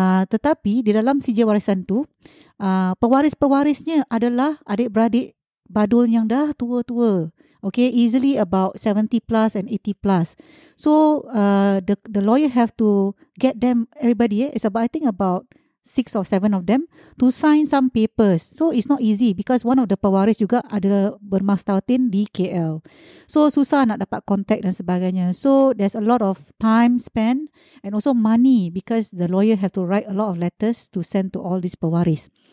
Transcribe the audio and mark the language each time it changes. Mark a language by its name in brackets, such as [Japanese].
[Malay] Tetapi di dalam sijil warisan tu, pewaris-pewarisnya adalah adik-beradik Badul yang dah tua-tua. [English] Okay, easily about 70 plus and 80 plus. So the lawyer have to get them, everybody, it's about, I think about 6 or 7 of them, to sign some papers. So it's not easy because one of the pewaris [Malay] juga ada bermastautin di KL. So susah nak dapat contact dan sebagainya. [English] So there's a lot of time spent and also money because the lawyer have to write a lot of letters to send to all these pewaris.